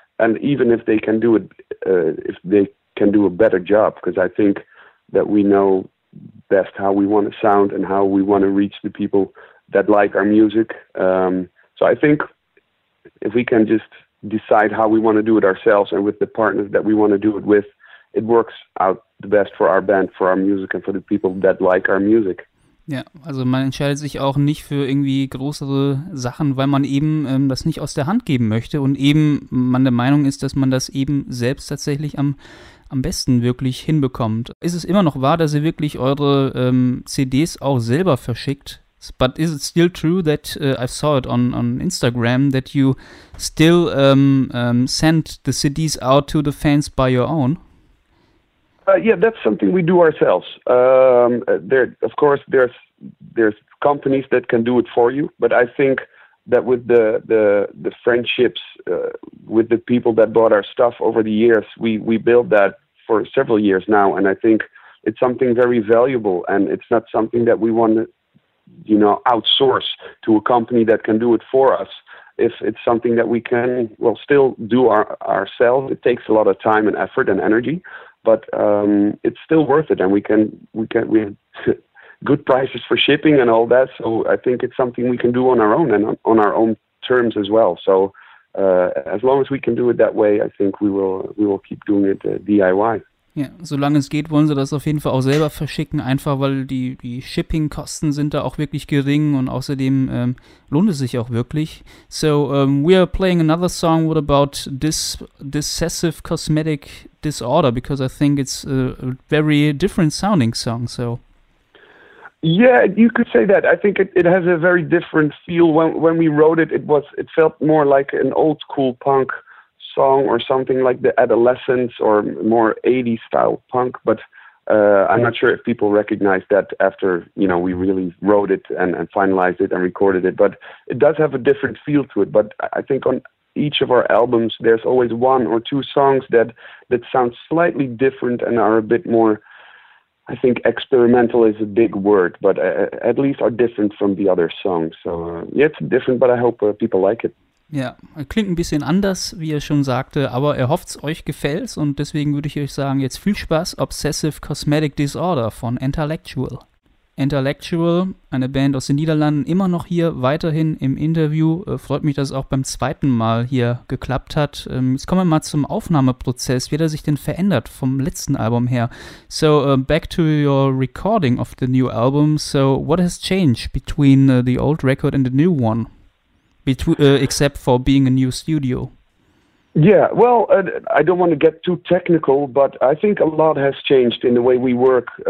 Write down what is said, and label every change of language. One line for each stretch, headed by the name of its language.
English: And even if they can do it, if they can do a better job, because I think that we know best how we want to sound and how we want to reach the people that like our music. So I think if we can just decide how we want to do it ourselves and with the partners that we want to do it with, it works out the best for our band, for our music, and for the people that like our music.
German: Ja, also man entscheidet sich auch nicht für irgendwie größere Sachen, weil man eben das nicht aus der Hand geben möchte und eben man der Meinung ist, dass man das eben selbst tatsächlich am besten wirklich hinbekommt. Ist es immer noch wahr, dass ihr wirklich eure CDs auch selber verschickt?
English: But is it still true that I saw it on Instagram that you still send the CDs out to the fans by your own? Yeah, that's something we do ourselves. There's companies that can do it for you, but I think that with the friendships with the people that bought our stuff over the years, we built that for several years now, and I think it's something very valuable, and it's not something that we want to, you know, outsource to a company that can do it for us. If it's something that we can, well, still do ourselves, it takes a lot of time and effort and energy. But it's still worth it, and we have good prices for shipping and all that. So I think it's something we can do on our own and on our own terms as well. So as long as we can do it that way, I think we will keep doing it DIY.
German: Ja, solange es geht, wollen sie das auf jeden Fall auch selber verschicken, einfach weil die Shipping-Kosten sind da auch wirklich gering und außerdem lohnt es sich auch wirklich.
English: So, we are playing another song. What about Dissessive Cosmetic Disorder? Because I think it's a very different sounding song, so. Yeah, you could say that. I think it has a very different feel. When we wrote it, it felt more like an old school punk song or something like the Adolescents or more 80s style punk, but I'm not sure if people recognize that after, you know, we really wrote it and finalized it and recorded it, but it does have a different feel to it. But I think on each of our albums there's always one or two songs that sound slightly different and are a bit more, I think experimental is a big word, but at least are different from the other songs. So yeah, it's different, but I hope people like it.
German: Ja, klingt ein bisschen anders, wie er schon sagte, aber er hofft, es euch gefällt, und deswegen würde ich euch sagen, jetzt viel Spaß, Obsessive Cosmetic Disorder von Intellectual. Intellectual, eine Band aus den Niederlanden, immer noch hier, weiterhin im Interview. Freut mich, dass es auch beim zweiten Mal hier geklappt hat. Jetzt kommen wir mal zum Aufnahmeprozess. Wie hat er sich denn verändert vom letzten Album her?
English: So, back to your recording of the new album. So, what has changed between the old record and the new one? Except for being a new studio. Yeah, well, I don't want to get too technical, but I think a lot has changed in the way we work.